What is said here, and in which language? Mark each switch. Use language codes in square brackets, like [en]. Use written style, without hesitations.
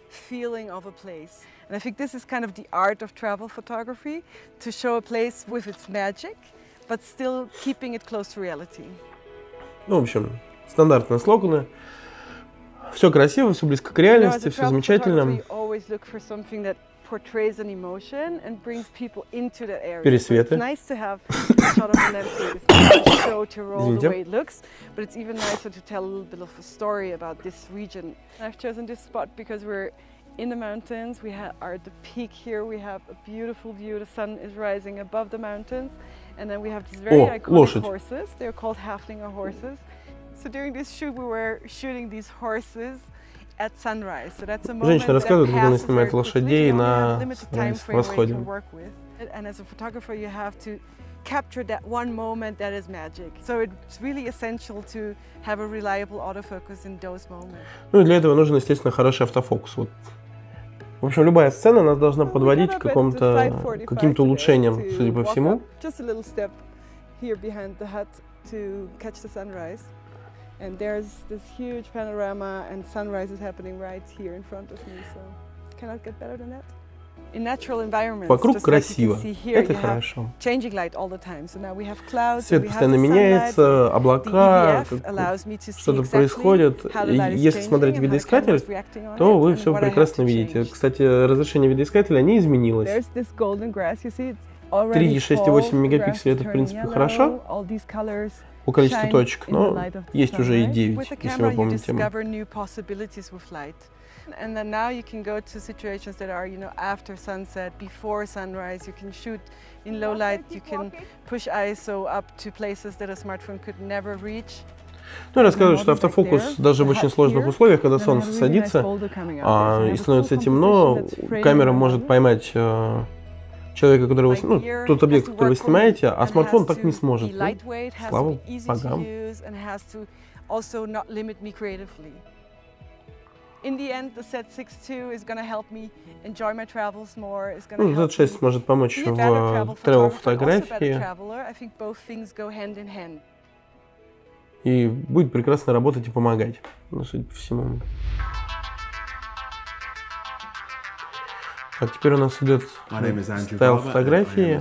[en] Feeling of a place, and I think this is kind of the art of travel photography, to show a place with its magic, but still keeping it close to reality. [ru] Ну, в общем, стандартные слоганы. Все красиво, все близко к реальности, все замечательно. [en] Always look for something that portrays an emotion and brings people into that area. [ru] Пересветы. [en] Nice to have shot of an empty show to roll the way it looks, but it's even nicer to tell a little bit of a story about this region. I've chosen this spot because we're in the mountains. We are at the peak here. We have a beautiful view. The sun is rising above the mountains, and then we have these very iconic horses. They're called Haflinger horses. So during this shoot, we were shooting these horses at sunrise. So that's a moment. [ru] Женщина рассказывает, как она снимает лошадей на восходе. [en] And as a photographer, you have to capture that one moment that is magic. So it's really essential to have a reliable autofocus in those moments. [ru] Ну и для этого нужен, естественно, хороший автофокус. Вот. В общем, любая сцена нас должна подводить к каким-то улучшениям, судя по всему. [en] Just a little step here behind the hut to catch the sunrise. And there's this huge panorama and sunrise is happening right here in front of me, so cannot get better than that. In natural environments, [ru] вокруг [en] just [ru] красиво, [en] like you can see here, [ru] это хорошо. [en] Changing light all the time, so now we have clouds, [ru] свет постоянно меняется, облака, что-то происходит. Если смотреть видоискатель, то вы все прекрасно видите. Кстати, разрешение видоискателя не изменилось. 3,6 мегапикселей, это в принципе хорошо по количеству точек, но есть уже и 9, если вы помните. [en] And then now you can go to situations that are, you know, after sunset, before sunrise, you can shoot in low light, you can push ISO up to places that a smartphone could never reach. [ru] Ну, я расскажу, что автофокус даже в очень сложных условиях, когда солнце садится и становится темно, камера может поймать человека, которого, ну, тот объект, который вы снимаете, а смартфон так не сможет. Слава богам. [en] Also not limit me creatively. In the end, the Z6 II is going to help me enjoy my travels more. It's going to help [ru] Z6 может помочь в travel фотографии. [en] I think both things go hand in hand. [ru] И будет прекрасно работать и помогать, ну, судя по всему. А теперь у нас идет стайл фотографии.